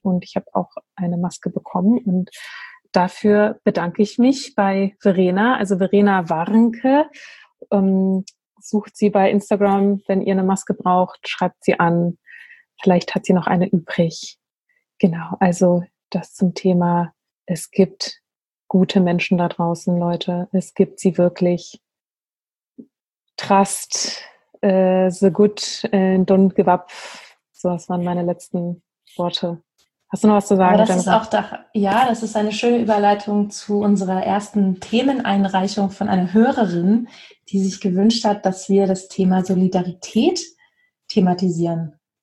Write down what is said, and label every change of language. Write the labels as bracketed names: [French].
[German] Und ich habe auch eine Maske bekommen. Und dafür bedanke ich mich bei Verena, also Verena Warnke. Sucht sie bei Instagram, wenn ihr eine Maske braucht, schreibt sie an. Vielleicht hat sie noch eine übrig. Genau, also das zum Thema, es gibt gute Menschen da draußen, Leute. Es gibt sie wirklich. [English] Trust the good and don't give up. [German] So, das waren meine letzten Worte. Hast du noch was zu sagen? Aber das ist eine schöne Überleitung zu unserer ersten Themeneinreichung von einer Hörerin, die sich gewünscht hat, dass wir das Thema Solidarität thematisieren.